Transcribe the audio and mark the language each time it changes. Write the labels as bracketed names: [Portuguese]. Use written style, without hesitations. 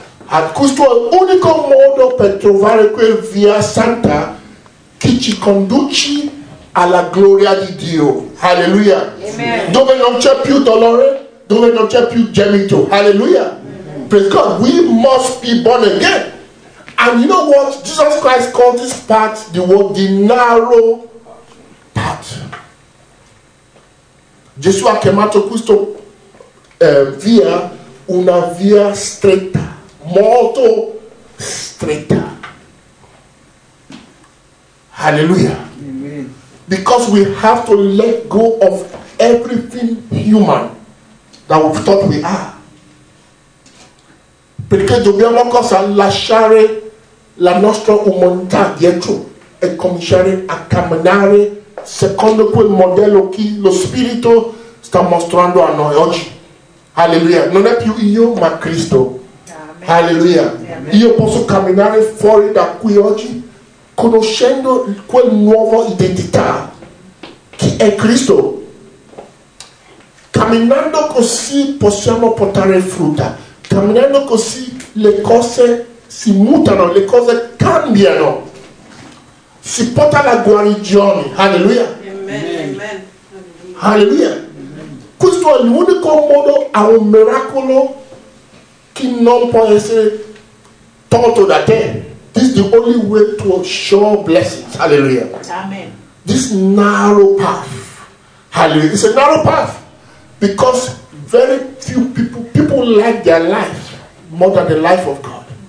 [Italian] E questo è l'unico modo per trovare quel via santa che ci conduce alla gloria di Dio. Hallelujah. Amen. Dove non c'è più dolore, dove non c'è più gemito. Hallelujah. Amen. [English] Praise God. We must be born again. And you know what? Jesus Christ called this path the narrow path. [Italian] Gesù ha chiamato questo via una via stretta, molto stretta. Hallelujah. [English] Because we have to let go of everything human that we thought we are. [Italian] Perché dobbiamo cosa? Lasciare la nostra umanità dietro e cominciare a camminare secondo quel modello che lo Spirito sta mostrando a noi oggi. Hallelujah. Non è più io, ma Cristo. Amen. Hallelujah. Amen. Io posso camminare fuori da qui oggi conoscendo quel nuovo identità che è Cristo. Camminando così possiamo portare frutta. Camminando così le cose si mutano, le cose cambiano. Si porta la guarigione. Hallelujah. Amen. Hallelujah. Amen. Questo è l'unico modo a un miracolo che non può essere tolto da te. [English] This is the only way to assure blessings. Hallelujah. Amen. This narrow path. Hallelujah. It's a narrow path. Because very few people like their life more than the life of God.